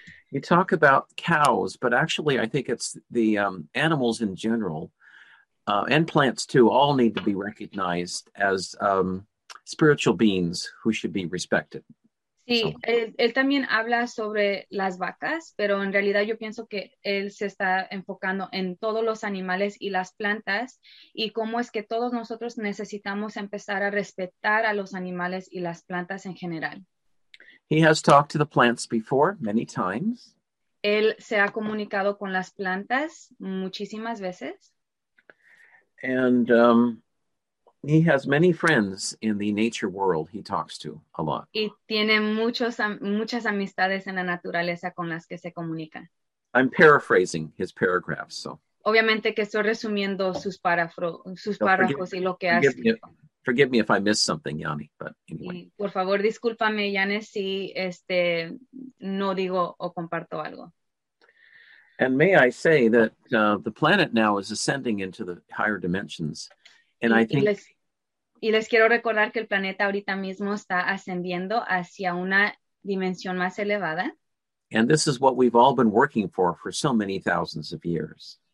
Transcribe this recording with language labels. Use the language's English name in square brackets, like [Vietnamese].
[English] You talk about cows, but actually I think it's the animals in general, and plants too, all need to be recognized as... spiritual beings who should be respected. [Spanish] Sí, so. él también habla sobre las vacas, pero en realidad yo pienso que él se está enfocando en todos los animales y las plantas, y cómo es que todos nosotros necesitamos empezar a respetar a los animales y las plantas en general. [English] He has talked to the plants before many times. [Spanish] Él se ha comunicado con las plantas muchísimas veces. [English] And he has many friends in the nature world he talks to a lot. [Spanish] Y tiene muchas amistades en la naturaleza con las que se comunica. [English] I'm paraphrasing his paragraphs, so. [Spanish] Obviamente que estoy resumiendo sus párrafos y lo que hace. [English] Forgive me if I miss something, Yanni, but anyway. [Spanish] Y por favor, discúlpame, Yanni, si no digo o comparto algo. [English] And may I say that the planet now is ascending into the higher dimensions. And I think, [Spanish] Y les quiero recordar que el planeta ahorita mismo está ascendiendo hacia una dimensión más elevada. [English] And this is what we've all been working for so many thousands of years.